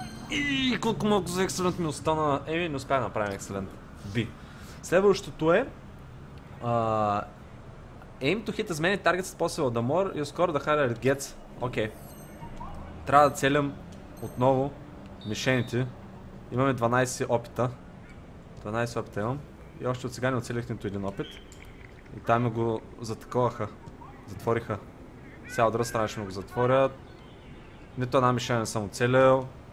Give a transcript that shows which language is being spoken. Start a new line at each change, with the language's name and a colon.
Bulgarian: Ииии, колко много за екселент ми остана. Еми, не успях да направим екселент. Би. Следващото е...
English: Aim to hit as many targets as possible. The more you score, the higher it gets.
Bulgarian: Окей. Трябва да целям отново мишените. Имаме 12 опита имам. И още от сега не оцелих нито един опит. И там ме го затаковаха. Затвориха. Сега от друга страна ще ме го затворят. Нито една мишена не съм оцелил.